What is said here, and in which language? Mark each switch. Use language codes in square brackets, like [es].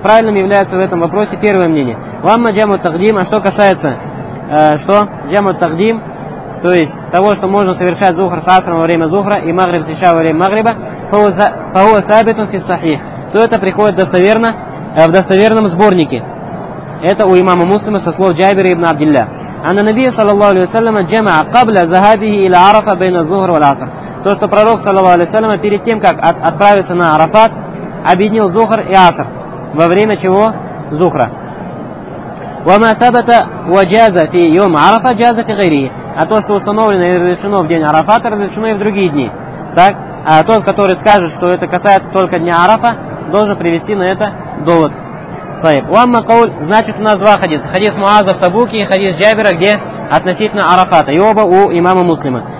[ru] Правильным является в этом вопросе первое мнение. Вамма джаму тахдим, а что касается, что? Джаму тахдим, то есть того, что можно совершать зухр с асром во время зухра и магриб с иша во время магриба, фауа сабитун фи сахих, то это приходит достоверно, в достоверном сборнике. Это у имама Муслима со слов Джабира ибн Абдилля. [ar] أن النبي صلى الله عليه وسلم جمع قبل ذهابه إلى عرفة بين الظهر والعصر. [ru] То, что пророк, саллаллаху алейхи ва саллям, перед тем, как отправиться на Арафат, объединил Зухр и Аср. Во время чего? Зухра. [ar] وما ثبت وجاز في يوم عرفة جاز في غيره. [ru] А то, что установлено и разрешено в день Арафата, разрешено и в другие дни. Так? А тот, который скажет, что это касается только дня Арафа, должен привести на это довод. Значит, у нас два хадиса. Хадис Муаза в Табуке и хадис Джабира, где относительно Арафата. И оба у имама Муслима.